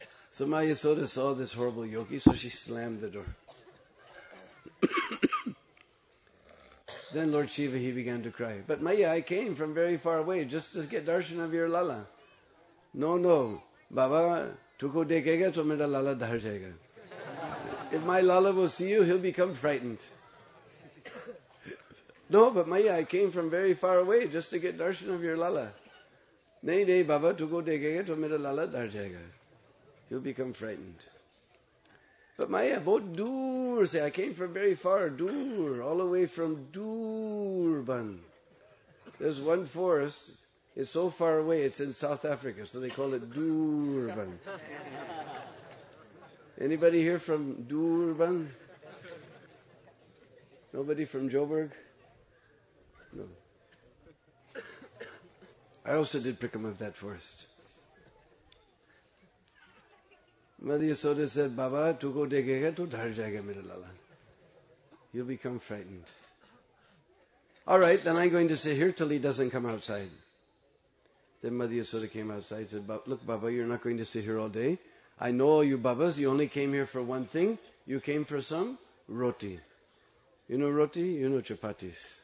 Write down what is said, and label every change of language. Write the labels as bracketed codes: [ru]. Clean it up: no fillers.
[en] So Maya Yasoda saw this horrible yogi, so she slammed the door. Then Lord Shiva, he began to cry. But Maya, I came from very far away just to get darshan of your lala. No, no. [hi] बाबा, तुको देखेगा, तो मेरा लाला धर जाएगा। [en] If my lala will see you, he'll become frightened. No, but Maya, I came from very far away just to get darshan of your lala. [hi] Nay, nay, Baba, tuko dekhega, to mera lala dhar jayega. [en] He'll become frightened. But Maya, both dur, say, I came from very far, dur, all the way from Durban. There's one forest. It's so far away, it's in South Africa, so they call it Durban. Anybody here from Durban? Nobody from Joburg? No. I also did Prickham of that forest. Mother Yasoda said, [hi] बाबा, तू को देखेगा तो धर जाएगा मेरा लाला। [en] You'll become frightened. All right, then I'm going to sit here till he doesn't come outside. Then Mother Yasoda came outside and said, look, Baba, you're not going to sit here all day. I know all you Babas, you only came here for one thing. You came for some roti. You know roti? You know chapatis.